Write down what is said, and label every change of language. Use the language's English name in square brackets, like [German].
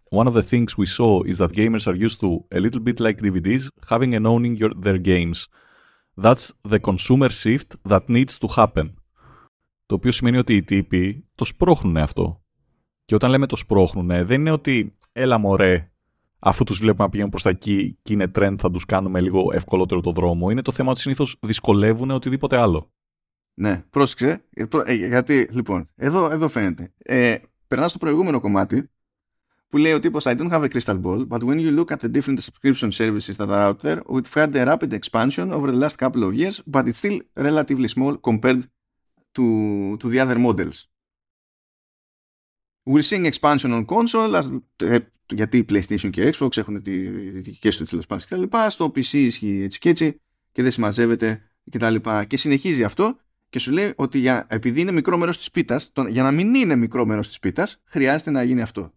[English] «One of the things we saw is that gamers are used to a little bit like DVDs, having and owning their games. That's the consumer shift that needs to happen». [Greek] Το οποίο σημαίνει ότι οι τύποι το σπρώχνουν αυτό. Και όταν λέμε το σπρώχνουνε, δεν είναι ότι έλα μωρέ, αφού τους βλέπουμε να πηγαίνουν προς τα εκεί και είναι trend, θα τους κάνουμε λίγο ευκολότερο το δρόμο. Είναι το θέμα ότι συνήθως δυσκολεύουν οτιδήποτε άλλο. Ναι, πρόσεξε. Γιατί, λοιπόν, εδώ φαίνεται. Περνάς στο προηγούμενο κομμάτι που λέει ο τύπος [English] «I don't have a crystal ball, but when you look at the different subscription services that are out there, we've had a rapid expansion over the last couple of years, but it's still relatively small compared to the other models. We're seeing expansion on console, as, [Greek] γιατί PlayStation και Xbox έχουν τη δική του τέλο πάντων κτλ. Στο PC ισχύει έτσι και έτσι και δεν συμμαζεύεται κτλ. Και συνεχίζει αυτό και σου λέει ότι επειδή είναι μικρό μέρος της πίτας, για να μην είναι μικρό μέρος της πίτας, χρειάζεται να γίνει αυτό.